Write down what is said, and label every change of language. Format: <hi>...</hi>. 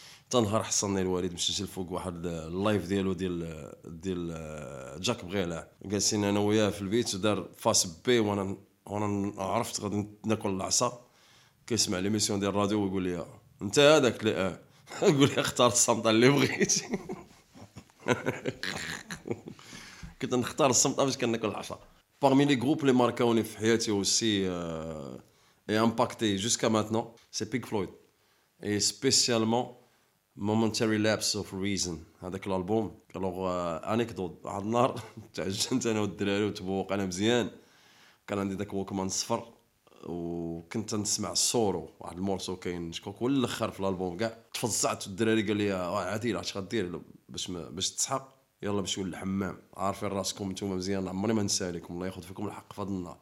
<ar>تنهار حصلني الوالد مسجل فوق واحد اللايف ديالو ديال جاك بغيلا، جالسين انا وياه في البيت دار فاس بي، وانا عرفت غادي ناكل العصا. كيسمع لي ميسيون ديال الراديو ويقول لي انت هذاك اللي قول لي اختار الصمت اللي بغيتي. كنت نختار الصمت باش كناكل العصا.</ar> <fr>parmi les groupes les marquants</fr> <ar>في حياتي</ar> <fr>aussi et impacté jusqu'à maintenant c'est Pink Floyd et spécialement Momentary Lapse of Reason.</fr> <ar>هذاك الالبوم قالوا انيكدوت على النار، تعجنت انا والدراري وتبوق انا مزيان، كان عندي داك ووكمان صفر وكنت نسمع سورو واحد المورسو كاين شكوك والاخر في الالبوم كاع، تفزعت والدراري قال لي عادي اش غدير باش تسحق، يلا مشيو للحمام، عارفين راسكم نتوما مزيان عمري ما ننسى لكم، الله ياخذ فيكم الحق في هذا النار.</ar>